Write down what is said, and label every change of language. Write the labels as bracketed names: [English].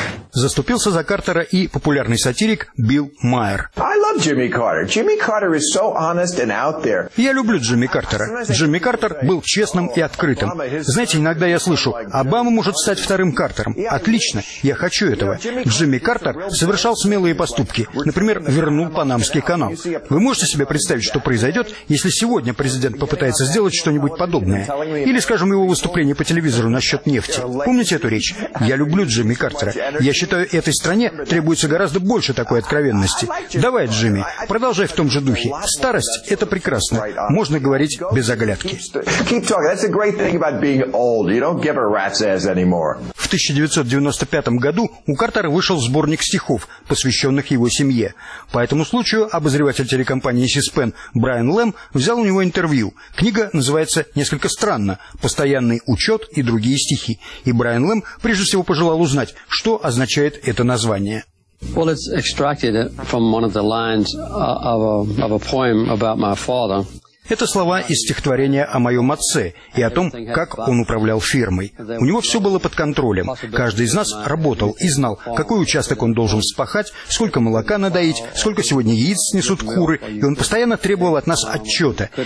[Russian] Заступился за Картера и популярный сатирик Билл Майер. [English] Jimmy Carter. Jimmy Carter is so honest and out there. [Russian] Я люблю Джимми Картера. Джимми Картер был честным и открытым. Знаете, иногда я слышу, Обама может стать вторым Картером. Отлично, я хочу этого. Джимми Картер совершал смелые поступки. Например, вернул Панамский канал. Вы можете себе представить, что произойдет, если сегодня президент попытается сделать что-нибудь подобное? Или, скажем, его выступление по телевизору насчет нефти. Помните эту речь? Я люблю Джимми Картера. Я считаю, этой стране требуется гораздо больше такой откровенности. Давай, Джимми, продолжай в том же духе. Старость – это прекрасно. Можно говорить без оглядки. В 1995 году у Картера вышел сборник стихов, посвященных его семье. По этому случаю обозреватель телекомпании C-SPAN Брайан Лэм взял у него интервью. Книга называется «Несколько странно. Постоянный учет и другие стихи». И Брайан Лэм прежде всего пожелал узнать, что означает это название. [English] Well, it's extracted from one of the lines of a poem about my father. [Russian] Это слова из стихотворения о моем отце и о том, как он управлял фирмой. У него все было под контролем. Каждый из нас работал и знал, какой участок он должен вспахать, сколько молока надоить, сколько сегодня яиц снесут куры, и он постоянно требовал от нас отчета.